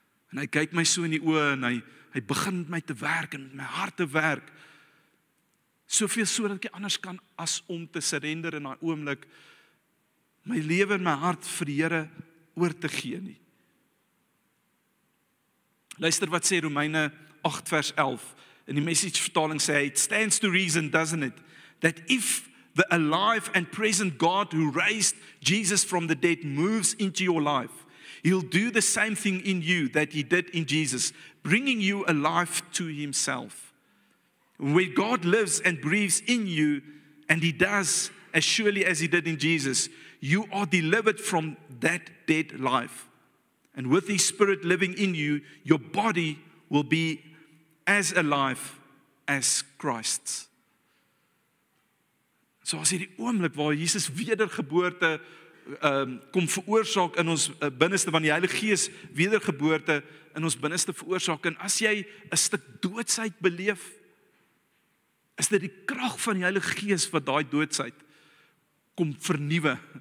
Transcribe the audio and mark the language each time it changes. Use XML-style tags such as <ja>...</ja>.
<af>en hy kyk my so in die oë, en hy begin met my te werk, en met my hart te werk, soveel so dat ek anders kan, as om te surrender in daai oomblik, my lewe en my hart vir die Here, oor te gee nie. Luister wat sê Romeine 8 vers 11, in die message vertaling sê,</af> <en>it stands to reason, doesn't it, that if the alive and present God who raised Jesus from the dead moves into your life, he'll do the same thing in you that he did in Jesus, bringing you alive to himself. Where God lives and breathes in you, and he does as surely as he did in Jesus, you are delivered from that dead life. And with his spirit living in you, your body will be as alive as Christ's.</en> <af>So as hierdie oomblik waar Jesus wedergeboorte kom veroorsaak in ons binneste, van die Heilige Gees wedergeboorte in ons binneste veroorsaak, en as jy 'n stuk doodsheid beleef, is dit die krag van die Heilige Gees wat daai doodsheid kom vernuwe.</af>